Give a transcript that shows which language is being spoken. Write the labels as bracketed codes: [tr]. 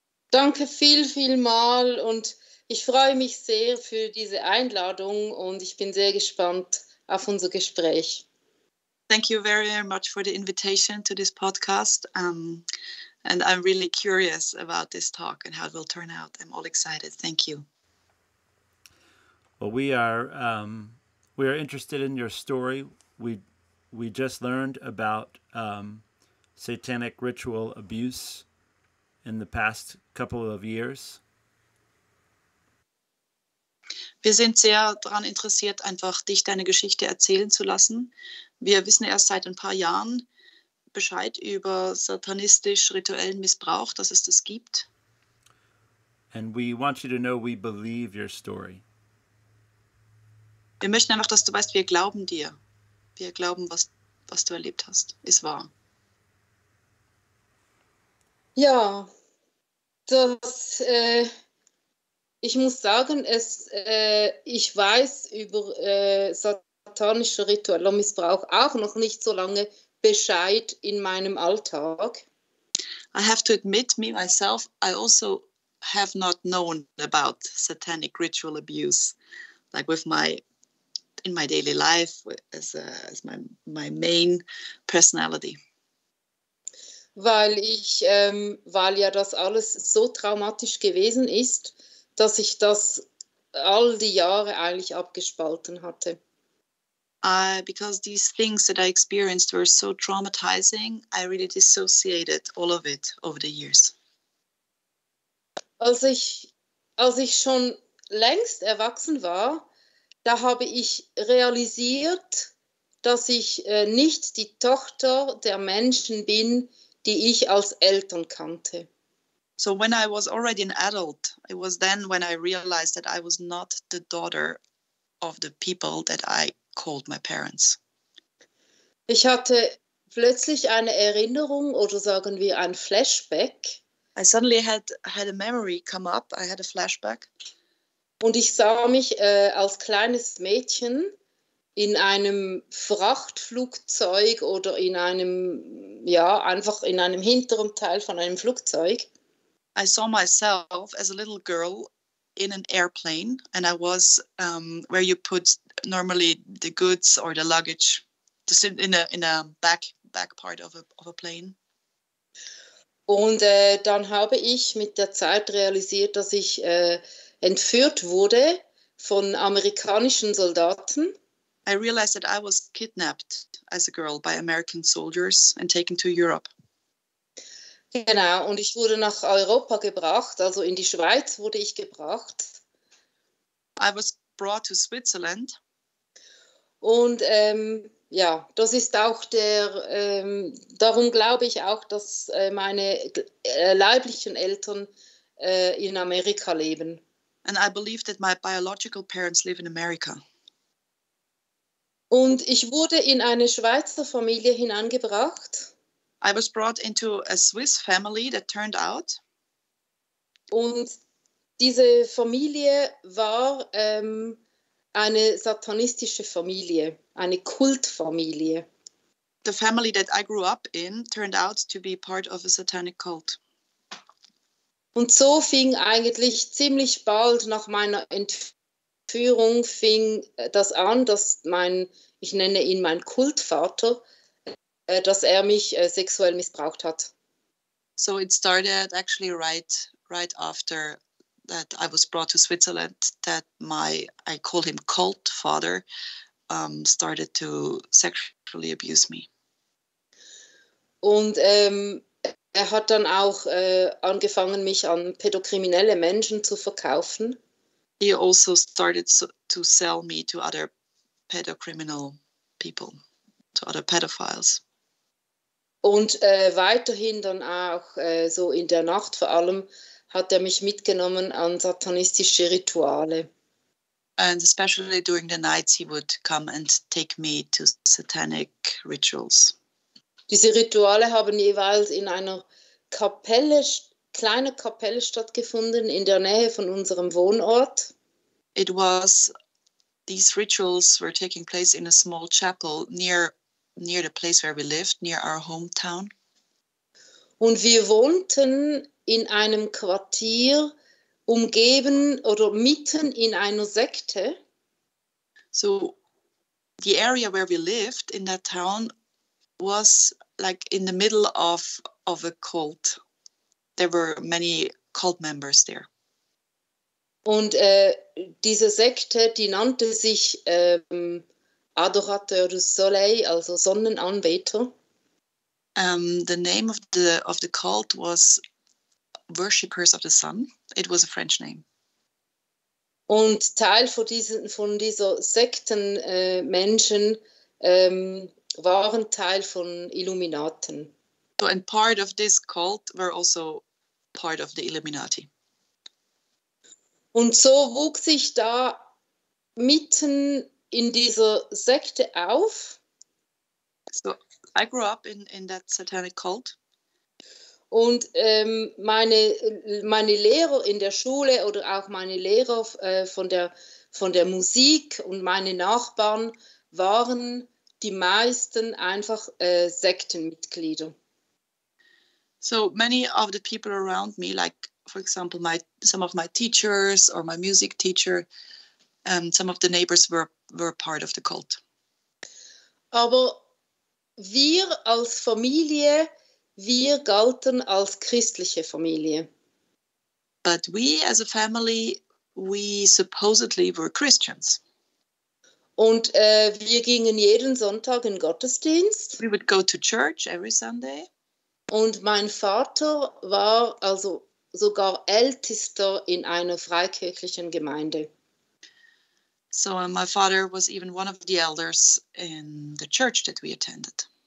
[de] Danke vielmal und ich freue mich sehr für diese Einladung und ich bin sehr gespannt auf unser Gespräch. [en] Thank you very much for the invitation to this podcast. And I'm really curious about this talk and how it will turn out. I'm all excited. Thank you. Well, we are interested in your story. We just learned about satanic ritual abuse in the past couple of years. [de] Wir sind sehr daran interessiert, einfach dich deine Geschichte erzählen zu lassen. Wir wissen erst seit ein paar Jahren Bescheid über satanistisch-rituellen Missbrauch, dass es das gibt. [en] And we want you to know we believe your story. [de] Wir möchten einfach, dass du weißt, wir glauben dir. Wir glauben, was du erlebt hast, ist wahr. Ja, das, ich muss sagen, ich weiß über satanischer ritueller Missbrauch auch noch nicht so lange Bescheid in meinem Alltag. [en] I have to admit, me myself, I also have not known about satanic ritual abuse, like with my in my daily life as my main personality. [de] Weil ich, weil ja das alles so traumatisch gewesen ist, dass ich das all die Jahre eigentlich abgespalten hatte. [en] Because these things that I experienced were so traumatizing, I really dissociated all of it over the years. [de] Als ich schon längst erwachsen war, da habe ich realisiert, dass ich nicht die Tochter der Menschen bin, die ich als Eltern kannte. [en] So when I was already an adult, it was then when I realized that I was not the daughter of the people that I called my parents. [de] Ich hatte plötzlich eine Erinnerung oder sagen wir ein Flashback. [en] I suddenly had a memory come up. I had a flashback. [de] Und ich sah mich als kleines Mädchen in einem Frachtflugzeug oder in einem, ja, einfach in einem hinteren Teil von einem Flugzeug. [en] I saw myself as a little girl in an airplane and I was where you put normally the goods or the luggage, to sit in a back part of a plane. [de] Und dann habe ich mit der Zeit realisiert, dass ich entführt wurde von amerikanischen Soldaten. [en] I realized that I was kidnapped as a girl by American soldiers and taken to Europe. [de] Genau, und ich wurde nach Europa gebracht, also in die Schweiz wurde ich gebracht. [en] I was brought to Switzerland. [de] Und ja, das ist auch der, darum glaube ich auch, dass meine leiblichen Eltern in Amerika leben. [en] And I believe that my biological parents live in America. [de] Und ich wurde in eine Schweizer Familie hineingebracht. [en] I was brought into a Swiss family that turned out. [de] Und diese Familie war eine satanistische Familie, eine Kultfamilie. [en] the family that I grew up in turned out to be part of a satanic cult. [de] Und so fing eigentlich ziemlich bald nach meiner Entführung fing das an, dass mein, ich nenne ihn mein Kultvater, dass er mich sexuell missbraucht hat. [en] So it started actually right after that I was brought to Switzerland, that my, I call him cult father, started to sexually abuse me. [de] Und er hat dann auch angefangen, mich an pädokriminelle Menschen zu verkaufen. [en] He also started to sell me to other pedocriminal people, to other pedophiles. [de] Und weiterhin dann auch so in der Nacht vor allem hat er mich mitgenommen an satanistische Rituale. [en] And especially during the nights he would come and take me to satanic rituals. [de] Diese Rituale haben jeweils in einer Kapelle, kleiner Kapelle stattgefunden in der Nähe von unserem Wohnort. [en] It was, these rituals were taking place in a small chapel near the place where we lived, near our hometown. [de] Und wir wohnten in einem Quartier umgeben oder mitten in einer Sekte. [en] So the area where we lived in that town was like in the middle of a cult. There were many cult members there. [de] Und diese Sekte, die nannte sich Adorateur du Soleil, also Sonnenanbeter. [en] The name of the cult was Worshippers of the Sun. It was a French name. [de] Und Teil von dieser Sekten Menschen waren Teil von Illuminaten. [en] So, and part of this cult were also part of the Illuminati. [de] Und so wuchs ich da mitten in dieser Sekte auf. [en] So, I grew up in that satanic cult. [de] Und meine Lehrer in der Schule oder auch meine Lehrer von der Musik und meine Nachbarn waren die meisten einfach Sektenmitglieder. [en] So many of the people around me, like for example some of my teachers or my music teacher, some of the neighbors were part of the cult. [de] Aber wir als Familie, wir galten als christliche Familie. [en] But we as a family, we supposedly were Christians. [de] Und wir gingen jeden Sonntag in Gottesdienst. [en] We would go to church every Sunday. [de] Und mein Vater war also sogar Ältester in einer freikirchlichen Gemeinde. [en] So my father was even one of the elders in the church that we attended.